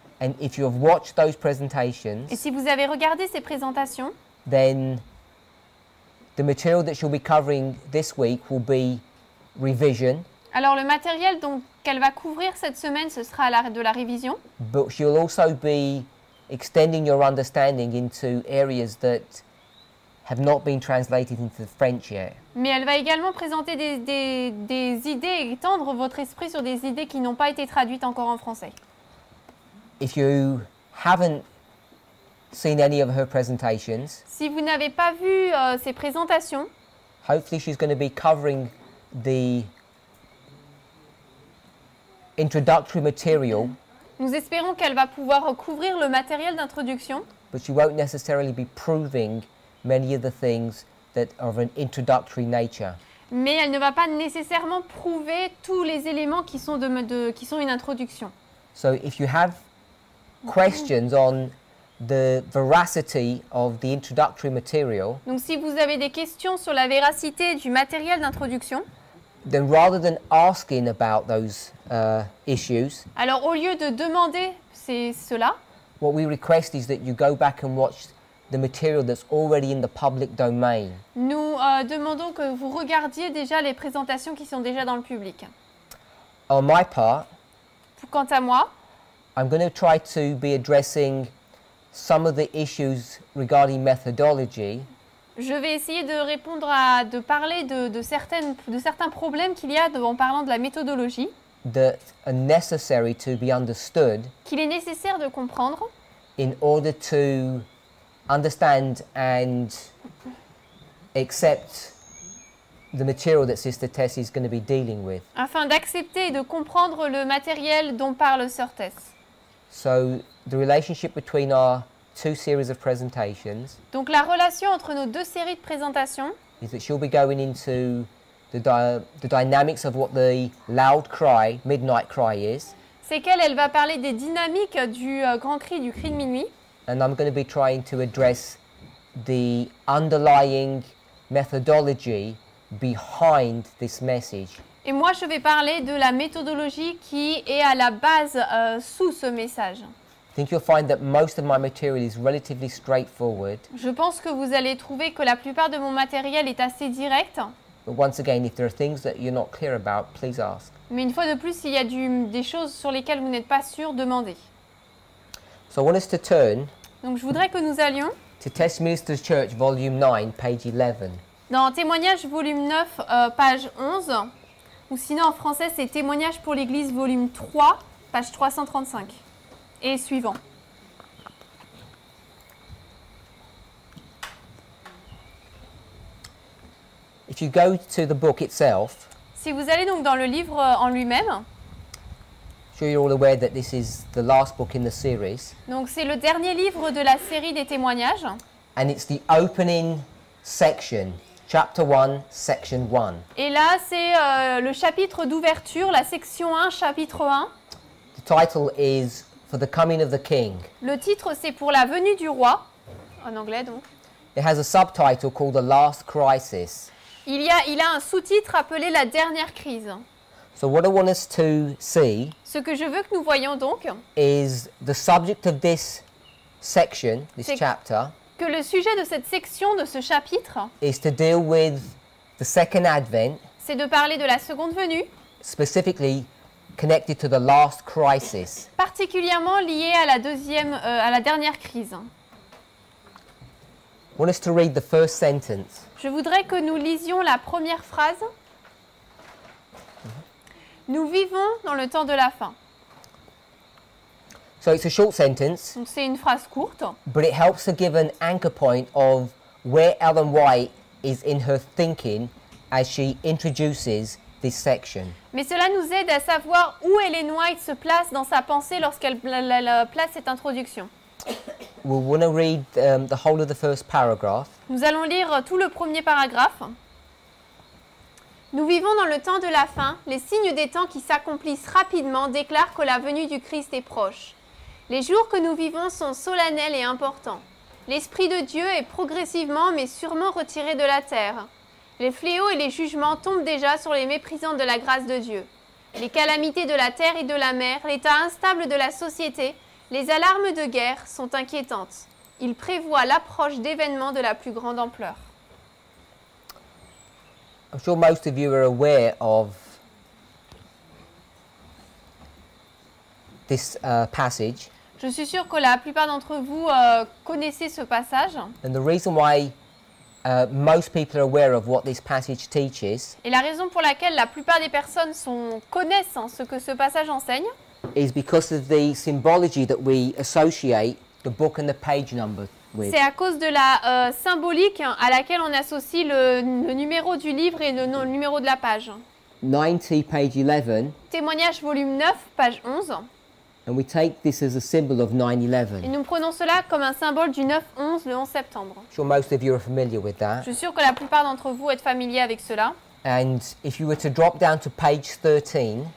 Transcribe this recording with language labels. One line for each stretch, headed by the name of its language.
English: And if you have watched those presentations.
French: Et si vous avez regardé ces présentations.
English: Then the material that she'll be covering this week will be revision.
French: Alors le matériel donc qu'elle va couvrir cette semaine, ce sera de la révision.
English: But she'll also be extending your understanding into areas that have not been translated into the French yet.
French: Mais elle va également présenter des idées, étendre votre esprit sur des idées qui n'ont pas été traduites encore en français.
English: If you haven't seen any of her presentations,
French: si vous n'avez pas vu ses présentations,
English: hopefully she's going to be covering the introductory material.
French: Nous espérons qu'elle va pouvoir couvrir le matériel d'introduction.
English: But she won't necessarily be proving many of the things that are of an introductory nature.
French: Mais elle ne va pas nécessairement prouver tous les éléments qui sont qui sont une introduction.
English: So if you have questions on the veracity of the introductory material.
French: Donc si vous avez des questions sur la véracité du matériel d'introduction.
English: Then rather than asking about those issues.
French: Alors au lieu de demander c'est cela.
English: What we request is that you go back and watch the material that's already in the public domain.
French: Nous demandons que vous regardiez déjà les présentations qui sont déjà dans le public.
English: On my part.
French: Quant à moi.
English: I'm going to try to be addressing some of the issues regarding methodology.
French: Je vais essayer de répondre à, de parler de certains problèmes qu'il y a en parlant de la méthodologie.
English: That are necessary to be understood.
French: Qu'il est nécessaire de comprendre.
English: In order to understand and accept the material that Sister Tess is going to be dealing with.
French: Afin d'accepter et de comprendre le matériel dont parle Sœur Tess.
English: So the relationship between our two series of presentations.
French: Donc la relation entre nos deux séries de présentations.
English: Is that she'll be going into the dynamics of what the loud cry, midnight cry is.
French: C'est qu'elle, elle va parler des dynamiques du grand cri, du cri de minuit.
English: And I'm going to be trying to address the underlying methodology behind this message.
French: Et moi, je vais parler de la méthodologie qui est à la base sous ce message.
English: I think you'll find that most of my material is relatively straightforward.
French: Je pense que vous allez trouver que la plupart de mon matériel est assez direct.
English: But once again, if there are things that you're not clear about, please ask.
French: Mais une fois de plus, s'il y a des choses sur lesquelles vous n'êtes pas sûr, demandez.
English: So I want us to turn.
French: Donc je voudrais que nous allions.
English: To Tess Minister's Church, volume 9, page 11.
French: Dans Témoignage, volume 9, page 11. Ou sinon en français, c'est Témoignage pour l'Église, volume 3, page 335. Et suivant.
English: If you go to the book itself,
French: si vous allez donc dans le livre en lui-même,
English: sure you're all aware that this is the last book in the series.
French: Donc c'est le dernier livre de la série des témoignages.
English: And it's the opening section, chapter 1, section 1.
French: Et là, c'est le chapitre d'ouverture, la section 1, chapitre 1.
English: The title is For the Coming of the King.
French: Le titre, c'est Pour la venue du roi, en anglais donc.
English: It has a subtitle called The Last Crisis.
French: Il a un sous-titre appelé La dernière crise.
English: So what I want us to see,
French: ce que je veux que nous voyons donc,
English: is the subject of this section, this chapter,
French: que le sujet de cette section, de ce chapitre,
English: is to deal with the second advent,
French: c'est de parler de la seconde venue,
English: specifically connected to the last crisis,
French: particulièrement lié à la deuxième, à la dernière crise.
English: I want us to read the first sentence.
French: Je voudrais que nous lisions la première phrase. Nous vivons dans le temps de la fin.
English: So it's a short sentence.
French: Donc c'est une phrase courte.
English: But it helps to give an anchor point of where Ellen White is in her thinking as she introduces this section.
French: Mais cela nous aide à savoir où Ellen White se place dans sa pensée lorsqu'elle place cette introduction.
English: We want to read the whole of the first paragraph.
French: Nous allons lire tout le premier paragraphe. Nous vivons dans le temps de la fin. Les signes des temps qui s'accomplissent rapidement déclarent que la venue du Christ est proche. Les jours que nous vivons sont solennels et importants. L'Esprit de Dieu est progressivement mais sûrement retiré de la terre. Les fléaux et les jugements tombent déjà sur les méprisants de la grâce de Dieu. Les calamités de la terre et de la mer, l'état instable de la société, les alarmes de guerre sont inquiétantes. Il prévoit l'approche d'événements de la plus grande ampleur.
English: I'm sure most of you are aware of this passage.
French: Je suis sûre que la plupart d'entre vous connaissez ce passage.
English: And the reason why most people are aware of what this passage teaches.
French: Et la raison pour laquelle la plupart des personnes connaissent ce que ce passage enseigne.
English: Is because of the symbology that we associate the book and the page number with.
French: C'est à cause de la symbolique à laquelle on associe le numéro du livre et le numéro de la page.
English: 90, page 11.
French: Témoignage volume 9, page 11.
English: And we take this as a symbol of 9/11.
French: Et nous prenons cela comme un symbole du 9/11, le 11 septembre.
English: Sure, most of you are familiar with that.
French: Je suis sûre que la plupart d'entre vous êtes familiers avec cela.
English: And if you were to drop down to page 13.